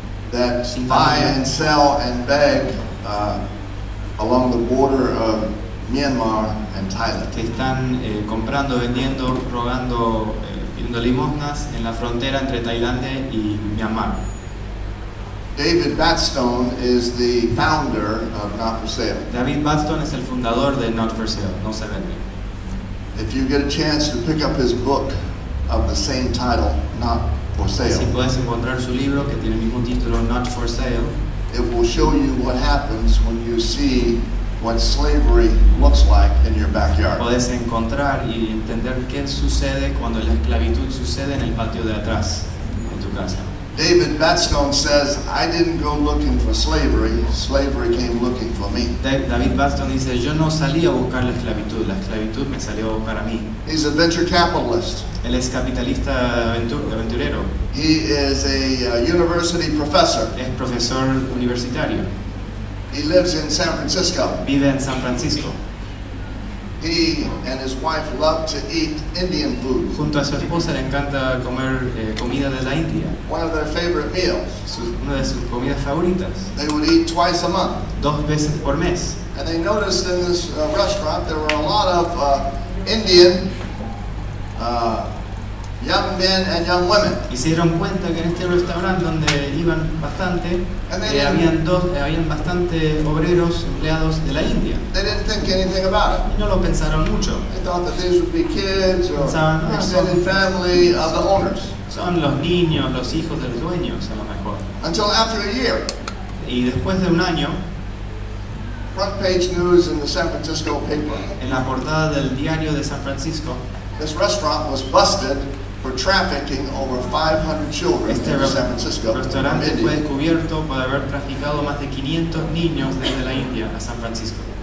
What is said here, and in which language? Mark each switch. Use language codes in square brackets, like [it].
[en] That buy and sell and beg along the border of Myanmar and Thailand. [es] Que están comprando, vendiendo, rogando, pidiendo limosnas en la frontera entre Tailandia y Myanmar. [en] David Batstone is the founder of Not For Sale. [es] David Batstone es el fundador de Not For Sale, No Se Vende. [en] If you get a chance to pick up his book of the same title, Not For Sale. [es] Si puedes encontrar su libro que tiene el mismo título, Not For Sale. [en] It will show you what happens when you see what slavery looks like in your backyard. [es] Puedes encontrar y entender qué sucede cuando la esclavitud sucede en el patio de atrás de tu casa. [en] David Batstone says, I didn't go looking for slavery, slavery came looking for me. [es] David Batstone dice, yo no salí a buscar la esclavitud me salió a buscar a mí. [en] He's a venture capitalist. [es] Él es capitalista aventurero. [en] He is a university professor. [es] Es profesor universitario. [en] He lives in San Francisco. [es] Vive en San Francisco. [en] He and his wife love to eat Indian food. [es] Junto a su esposa le encanta comer comida de la India. [en] One of their favorite meals. [es] Una de sus comidas favoritas. [en] They would eat twice a month. [es] Dos veces por mes. [en] And they noticed in this restaurant there were a lot of Indian young men and young women. [es] Y se dieron cuenta que en este restaurante donde iban bastante, habían bastante obreros empleados de la India. [en] They didn't think anything about it. [es] Y no lo pensaron mucho. [en] They thought that these would be kids or [es] pensaban, no, [en] extended son, family of the owners. [es] Son los niños, los hijos de los dueños, a lo mejor. [en] Until after a year. [es] Y después de un año. [en] Front page news in the San Francisco paper. [es] En la portada del diario de San Francisco. [en] This restaurant was busted for trafficking over 500 children [es] este [en] in San Francisco. [es] Restaurante fue descubierto por haber traficado más de 500 niños desde la India a San Francisco.